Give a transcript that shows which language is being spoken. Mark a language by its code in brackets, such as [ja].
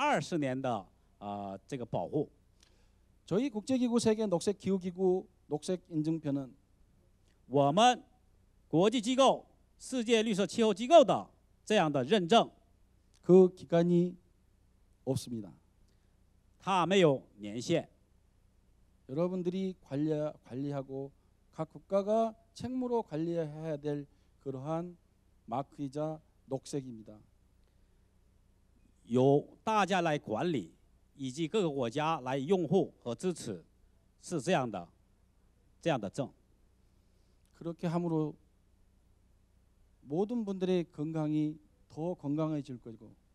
[zh] 产品拿到专利之后呢，这个专利只能有20年的这个保护。 [ko] 저희 국제기구 세계 녹색 기후기구 녹색 인증표는 [zh] 我们国际机构世界绿色气候机构的这样的认证 [ko] 그 기간이 없습니다. [zh] 它没有年限。 [ko] 여러분들이 관리하고 각 국가가 책무로 관리해야 될 그러한 마크이자 녹색입니다. [zh] 由大家来管理。以及各个国家来用户和支持，是这样的，这样的证。 [ko] 그렇게 함으로 모든 분들의 건강이 더 건강해질 것이고.